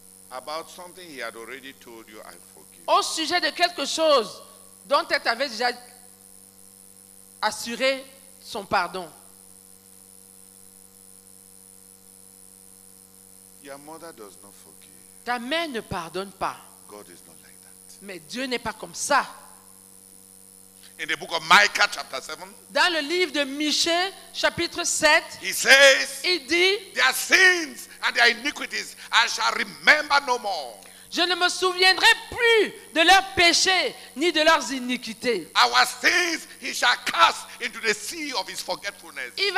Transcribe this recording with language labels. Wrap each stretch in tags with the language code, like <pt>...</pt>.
<en>About something he had already told you, I forgive.</en> <fr>Au sujet de quelque chose dont elle t'avait déjà assuré son pardon.</fr> <en>Your mother does not forgive.</en> <fr>Ta mère ne pardonne pas.</fr> <en>God is not like that.</en> <fr>Mais Dieu n'est pas comme ça.</fr> <en>In the book of Micah, chapter 7,</en> <fr>dans le livre de Michée, chapitre 7,</fr> <en>he says,</en> <fr>il dit,</fr> <en>their sins and their iniquities, I shall remember no more.</en> <fr>Je ne me souviendrai plus de leurs péchés ni de leurs iniquités.</fr> <en>Our sins he shall cast into the sea of his forgetfulness.</en>